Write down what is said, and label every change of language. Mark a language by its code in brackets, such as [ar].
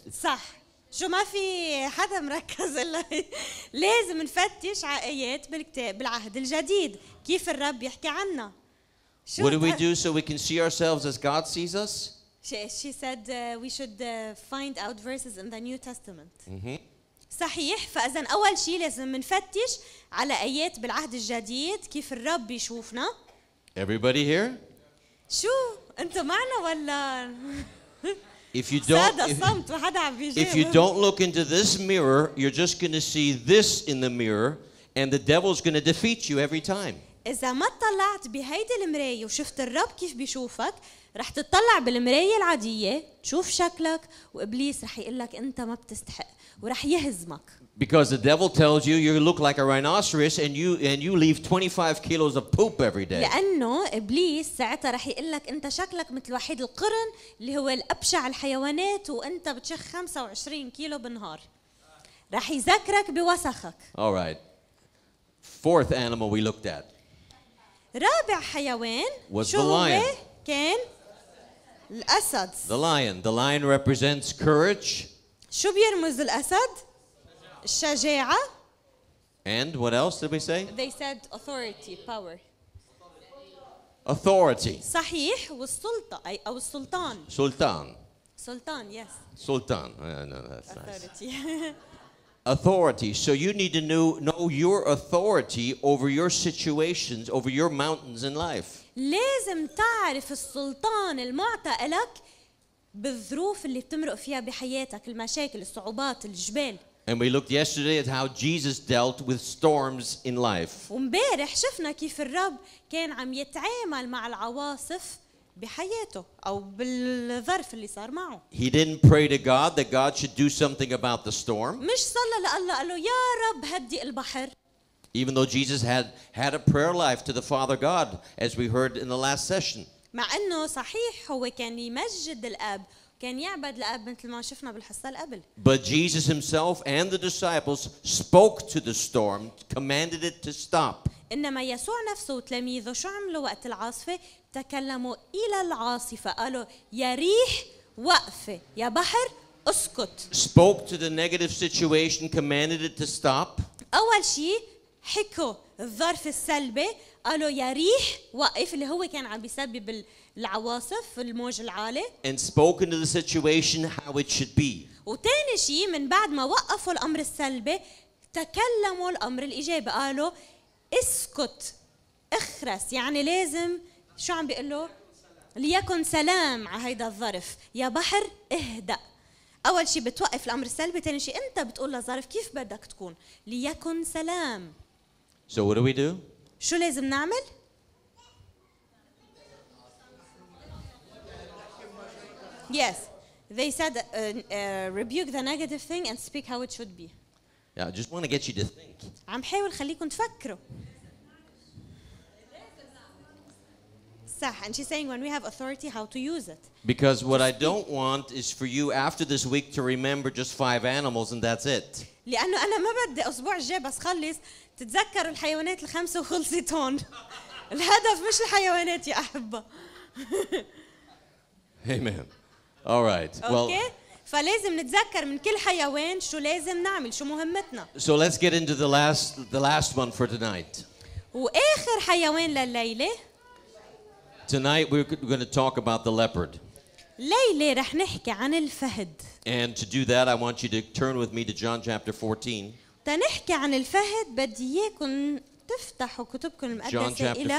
[ar] صح؟ شو ما في حدا مركز إلا لازم نفتش عقايات بالكتاب بالعهد الجديد كيف الرب يحكي عنا؟ [en] What do we do so we can see ourselves as God sees us? She said we should find out verses in the New Testament. [ar] صحيح، فإذا أول شيء لازم نفتش على آيات بالعهد الجديد كيف الرب بيشوفنا. [en] Everybody here? [ar] شو انتوا معنا ولا؟ [en] If you don't look into this mirror, you're just going to see this in the mirror, and the devil's going to defeat you every time. [ar] إذا ما طلعت بهيدي المراية وشفت الرب كيف بيشوفك، رح تطلع بالمراية العادية تشوف شكلك وإبليس رح يقلك أنت ما بتستحق ورح يهزمك. [en] Because the devil tells you you look like a rhinoceros and you leave 25 kilos of poop every day. [ar] لأنه إبليس ساعتها رح يقول لك أنت شكلك مثل وحيد القرن اللي هو الأبشع الحيوانات وأنت بتشخ 25 كيلو بالنهار. رح يذكرك بوسخك. [en] All right. Fourth animal we looked at. [ar] رابع حيوان. [en] Was the lion. [ar] كان الأسد. [en] The lion. The lion represents courage. [ar] شو بيرمز الأسد؟ الشجاعة. [en] And what else did we say? They said authority, power. Authority. [ar] صحيح والسلطة أو السلطان. سلطان. سلطان, yes. [en] سلطان. Yeah, no, that's authority. Nice. Authority. So you need to know your authority over your situations, over your mountains in life. [ar] لازم تعرف السلطان المعطى لك بالظروف اللي بتمرق فيها بحياتك, المشاكل, الصعوبات, الجبال. [en] And we looked yesterday at how Jesus dealt with storms in life. [ar] ومبارح شفنا كيف الرب كان عم يتعامل مع العواصف بحياته أو بالظرف اللي صار معه. [en] He didn't pray to God that God should do something about the storm. [ar] مش صلى لله قال له يا رب هدي البحر. [en] Even though Jesus had a prayer life to the Father God, as we heard in the last session. [ar] مع إنه صحيح هو كان يمجد الأب. كان يعبد الأب مثل ما شفنا بالحصة قبل. [en] But Jesus himself and the disciples spoke to the storm, commanded it to stop. [ar] إنما يسوع نفسه وتلاميذه شو عملوا وقت العاصفة؟ تكلموا إلى العاصفة قالوا يا ريح وقف يا بحر اسكت. [en] Spoke to the negative situation, commanded it to stop. [ar] أول شيء حكوا الظرف السلبي قالوا يا ريح وقف اللي هو كان عم بيسبب العواصف الموج العالي. [en] And spoke into the situation how it should be. [ar] وتاني شيء من بعد ما وقفوا الأمر السلبي تكلموا الأمر الإيجابي قالوا اسكت اخرس يعني لازم شو عم بيقول له ليكن سلام على هيدا الظرف يا بحر اهدأ. أول شيء بتوقف الأمر السلبي, تاني شيء أنت بتقول للظرف كيف بدك تكون ليكن سلام. [en] So what do we do? [ar] شو لازم نعمل؟ [en] Yes, they said rebuke the negative thing and speak how it should be. Yeah, I just want to get you to think. [ar] عم حاول خليكم تفكروا. [en] صح, and she's saying when we have authority, how to use it. Because what I don't want is for you after this week to remember just five animals and that's it. [ar] لأنه أنا ما بدي أسبوع جاي بس خلص تتذكروا الحيوانات الخمسة وخلصت هون. الهدف مش الحيوانات يا أحبة. [en] Amen. All right. Well, [ar] okay. فلازم نتذكر من كل حيوان شو لازم نعمل, شو مهمتنا. [en] So let's get into the last one for tonight. [ar] وآخر حيوان لليلة. [en] Tonight we're going to talk about the leopard. [ar] ليلة رح نحكي عن الفهد. [en] And to do that, I want you to turn with me to John chapter 14. [ar] تنحكي عن الفهد بدي إياكم تفتحوا كتبكم المقدسة إلى